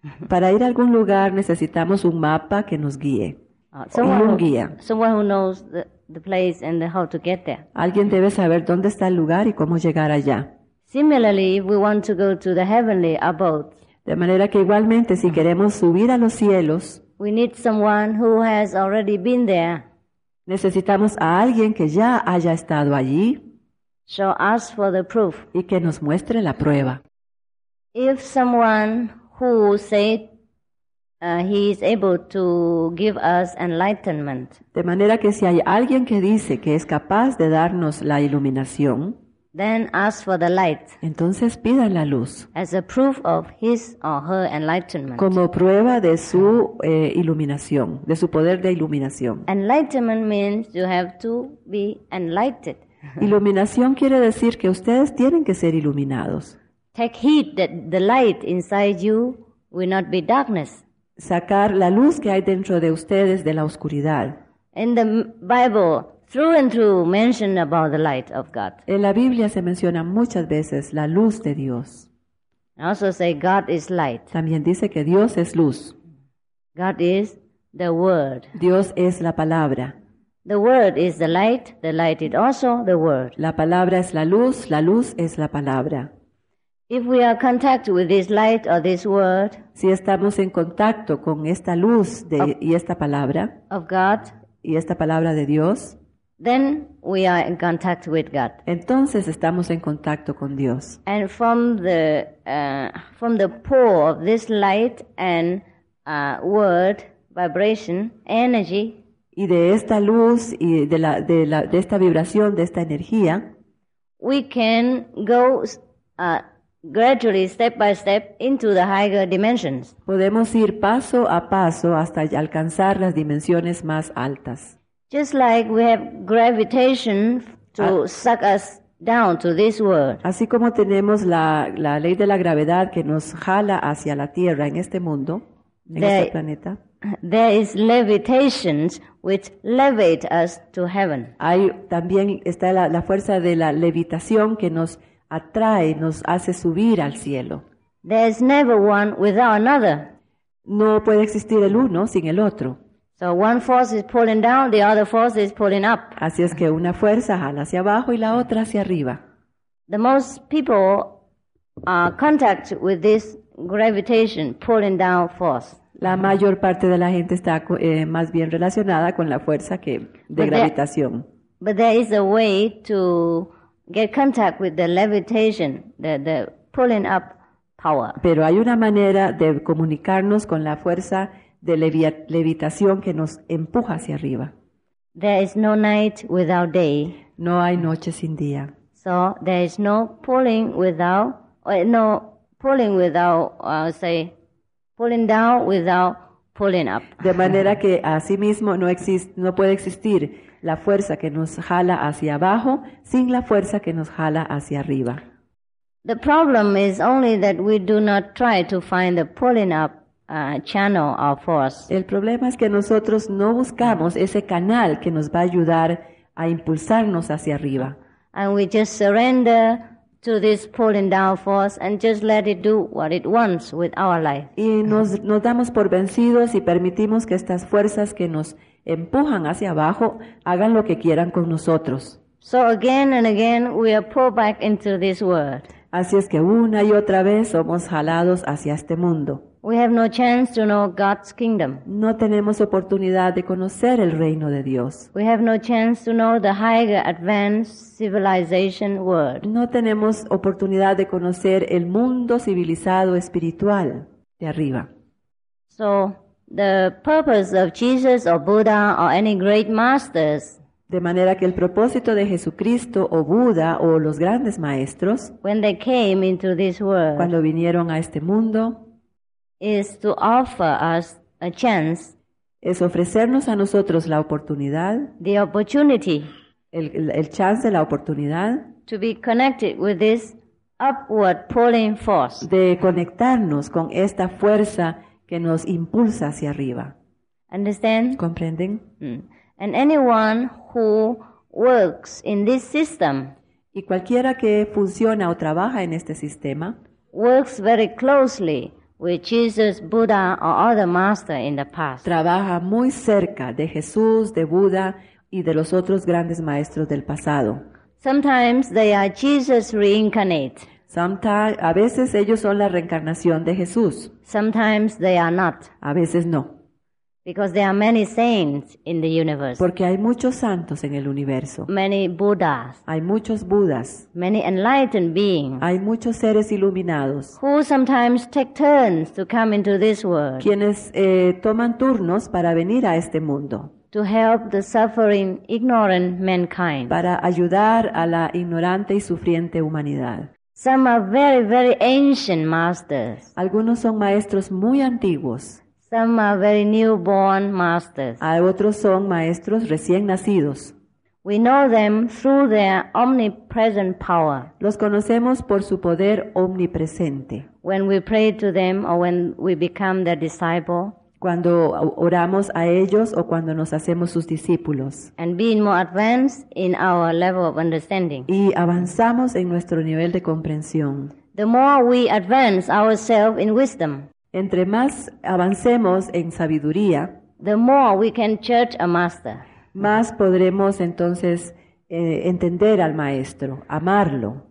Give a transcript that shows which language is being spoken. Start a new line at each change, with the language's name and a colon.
Spanish: Para ir a algún lugar necesitamos un mapa que nos guíe.
English: Someone who knows the place and how to get there.
Spanish: Alguien debe saber dónde está el lugar y cómo llegar allá.
English: Similarly, if we want to go to the heavenly abode.
Spanish: De manera que igualmente si queremos subir a los cielos,
English: we need someone who has already been there.
Spanish: Necesitamos a alguien que ya haya estado allí.
English: So ask for the proof.
Spanish: Y que nos muestre la prueba.
English: If someone who said he is able to give us enlightenment.
Spanish: De manera que si hay alguien que dice que es capaz de darnos la iluminación,
English: then ask for the light.
Spanish: Entonces pidan la luz.
English: As a proof of his or her enlightenment.
Spanish: Como prueba de su iluminación, de su poder de iluminación.
English: Enlightenment means you have to be enlightened.
Spanish: Iluminación quiere decir que ustedes tienen que ser iluminados.
English: Take heed that the light inside you will not be darkness.
Spanish: Sacar la luz que hay dentro de ustedes de la oscuridad.
English: In the Bible, through and through, mentioned about the light of God.
Spanish: En la Biblia se menciona muchas veces la luz de Dios.
English: I also say God is light.
Spanish: También dice que Dios es luz.
English: God is the Word.
Spanish: Dios es la palabra.
English: The Word is the light is also the Word.
Spanish: La palabra es la luz es la palabra.
English: If we are in contact with this light or this word,
Spanish: si estamos en contacto con esta luz y esta palabra,
English: of God,
Spanish: y esta palabra de Dios,
English: then we are in contact with God.
Spanish: Entonces estamos en contacto con Dios.
English: And from the pore of this light and word vibration energy,
Spanish: y de esta luz y de esta vibración, de esta energía,
English: we can go gradually, step by step, into the higher dimensions.
Spanish: Podemos ir paso a paso hasta alcanzar las dimensiones más altas.
English: Just like we have gravitation to suck us down to this world.
Spanish: Así como tenemos la ley de la gravedad que nos jala hacia la Tierra en este mundo, en este planeta.
English: There is levitations which levitate us to heaven.
Spanish: Hay también está la fuerza de la levitación que nos atrae, nos hace subir al cielo.
English: There's never one without another.
Spanish: No puede existir el uno sin el otro.
English: So one force is pulling down, the other force is pulling up.
Spanish: Así es que una fuerza jala hacia abajo y la otra hacia arriba.
English: The most people are contact with this gravitation pulling down force.
Spanish: La mayor parte de la gente está más bien relacionada con la fuerza que de gravitación.
English: But there is a way to get contact with the levitation, the pulling up power.
Spanish: Pero hay una manera de comunicarnos con la fuerza de levitación que nos empuja hacia arriba.
English: There is no night without day.
Spanish: No hay noche sin día.
English: So there is no pulling without, no pulling without, say, pulling down without pulling up.
Spanish: De manera que así mismo no puede existir la fuerza que nos jala hacia abajo sin la fuerza que nos jala hacia arriba.
English: The problem is only that we do not try to find the pulling up channel or force.
Spanish: El problema es que nosotros no buscamos ese canal que nos va a ayudar a impulsarnos hacia arriba.
English: And we just surrender to this pulling down force and just let it do what it wants with our life.
Spanish: Y nos damos por vencidos y permitimos que estas fuerzas que nos empujan hacia abajo hagan lo que quieran con nosotros.
English: So again and again we are pulled back into this world.
Spanish: Así es que una y otra vez somos jalados hacia este mundo.
English: We have no chance to know God's kingdom.
Spanish: No tenemos oportunidad de conocer el reino de Dios.
English: We have no chance to know the higher advanced civilization world.
Spanish: No tenemos oportunidad de conocer el mundo civilizado espiritual de arriba.
English: So, the purpose of Jesus or Buddha or any great masters.
Spanish: De manera que el propósito de Jesucristo o Buda o los grandes maestros.
English: When they came into this world.
Spanish: Cuando vinieron a este mundo.
English: Is to offer us a chance.
Spanish: Es ofrecernos a nosotros la oportunidad.
English: The opportunity.
Spanish: El chance de la oportunidad.
English: To be connected with this upward pulling force.
Spanish: De conectarnos con esta fuerza que nos impulsa hacia arriba.
English: Understand?
Spanish: ¿Comprenden? Mm.
English: And anyone who works in this system.
Spanish: Y cualquiera que funciona o trabaja en este sistema.
English: Works very closely. With Jesus, Buddha, or other master in the past.
Spanish: Trabaja muy cerca de Jesús, de Buda y de los otros grandes maestros del pasado.
English: Sometimes they are Jesus reincarnate.
Spanish: A veces ellos son la reencarnación de Jesús.
English: Sometimes they are not.
Spanish: A veces no.
English: Because there are many saints in the universe.
Spanish: Porque hay muchos santos en el universo.
English: Many Buddhas.
Spanish: Hay muchos Budas.
English: Many enlightened beings.
Spanish: Hay muchos seres iluminados.
English: Who sometimes take turns to come into this world.
Spanish: Quienes toman turnos para venir a este mundo.
English: To help the suffering, ignorant mankind.
Spanish: Para ayudar a la ignorante y sufriente humanidad.
English: Some are very, very ancient masters.
Spanish: Algunos son maestros muy antiguos.
English: Some are very newborn masters.
Spanish: A otros son maestros recién nacidos.
English: We know them through their omnipresent power.
Spanish: Los conocemos por su poder omnipresente.
English: When we pray to them or when we become their disciple.
Spanish: Cuando oramos a ellos o cuando nos hacemos sus discípulos.
English: And being more advanced in our level of understanding.
Spanish: Y avanzamos en nuestro nivel de comprensión.
English: The more we advance ourselves in wisdom.
Spanish: Entre más avancemos en sabiduría,
English: the more we can church a master.
Spanish: Más podremos entonces entender al maestro, amarlo.